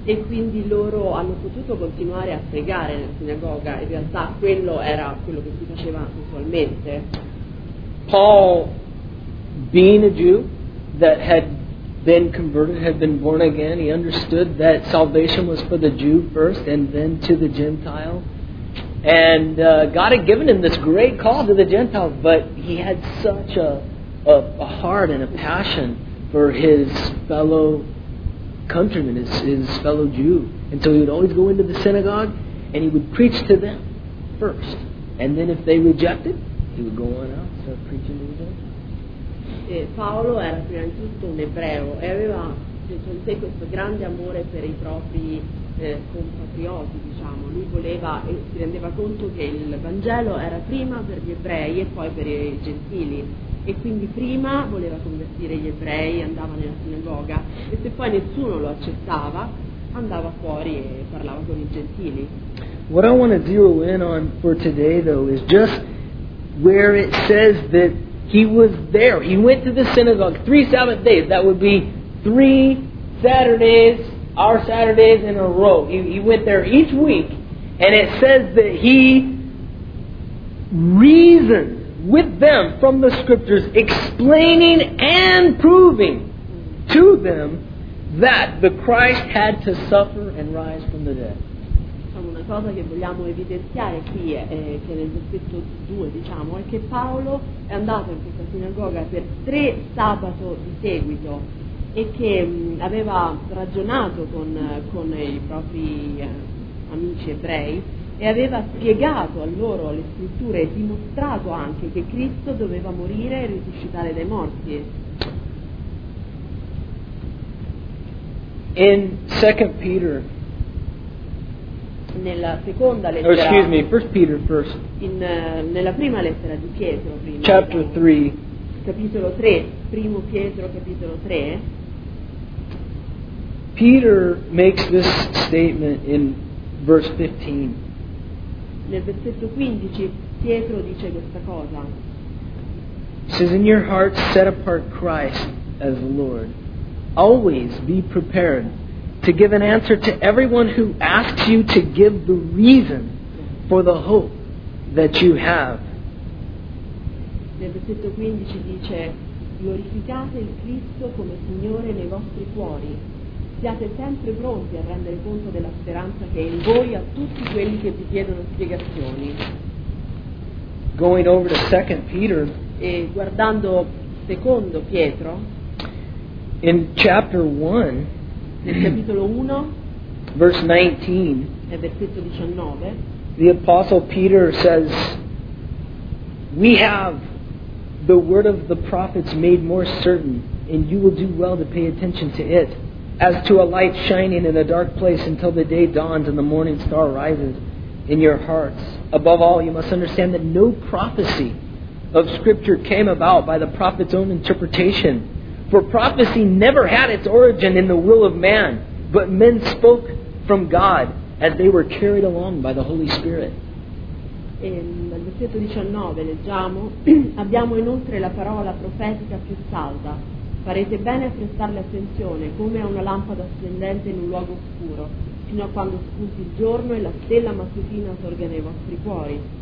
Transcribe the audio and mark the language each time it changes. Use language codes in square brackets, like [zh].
[it] e quindi loro hanno potuto continuare a pregare nella sinagoga. In realtà quello era quello che si faceva usualmente. [en] Paul, being a Jew that had been converted, had been born again, he understood that salvation was for the Jew first and then to the Gentile. And God had given him this great call to the Gentiles, but he had such a heart and a passion for his fellow countrymen, his fellow Jew. And so he would always go into the synagogue and he would preach to them first. And then if they rejected, he would go on out and start preaching to them. [it] Paolo era prima di tutto un ebreo e aveva dentro di sé questo grande amore per i propri compatrioti, diciamo. Lui voleva e si rendeva conto che il Vangelo era prima per gli ebrei e poi per i gentili, e quindi prima voleva convertire gli ebrei, andava nella sinagoga, e se poi nessuno lo accettava andava fuori e parlava con i gentili. [en] What I want to zero in on for today though is just where it says that he was there. He went to the synagogue 3 Sabbath days. That would be 3 Saturdays, our Saturdays in a row. He went there each week, and it says that he reasoned with them from the scriptures, explaining and proving to them that the Christ had to suffer and rise from the dead. [it] Una cosa che vogliamo evidenziare qui è che nel versetto 2 diciamo è che Paolo è andato in questa sinagoga per 3 sabato di seguito e che aveva ragionato con i propri amici ebrei e aveva spiegato a loro le scritture e dimostrato anche che Cristo doveva morire e risuscitare dai morti. [en] In 2 Peter, [it] nella seconda lettera, [en] excuse me, First Peter first. [it] In nella prima lettera di Pietro, prima, [en] chapter 3, [it] capitolo 3, primo Pietro capitolo 3, [en] Peter makes this statement in verse 15. [it] Nel versetto 15 Pietro dice questa cosa. [en] It says, in your heart set apart Christ as Lord. Always be prepared to give an answer to everyone who asks you to give the reason for the hope that you have. [it] Nel versetto 15 dice, glorificate il Cristo come Signore nei vostri cuori. Siate sempre pronti a rendere conto della speranza che è in voi a tutti quelli che vi chiedono spiegazioni. [en] Going over to 2 Peter, [it] e guardando secondo Pietro, [en] in chapter 1, [it] nel capitolo 1, [en] verse 19, [it] nel versetto 19, [en] the Apostle Peter says, we have the word of the prophets made more certain, and you will do well to pay attention to it, as to a light shining in a dark place until the day dawns and the morning star rises in your hearts. Above all, you must understand that no prophecy of Scripture came about by the prophet's own interpretation. For prophecy never had its origin in the will of man, but men spoke from God as they were carried along by the Holy Spirit. [it] Nel versetto 19 leggiamo, abbiamo inoltre la parola profetica più salda. Farete bene a prestarle attenzione, come a una lampada splendente in un luogo oscuro, fino a quando spunti il giorno e la stella mattutina sorga nei vostri cuori.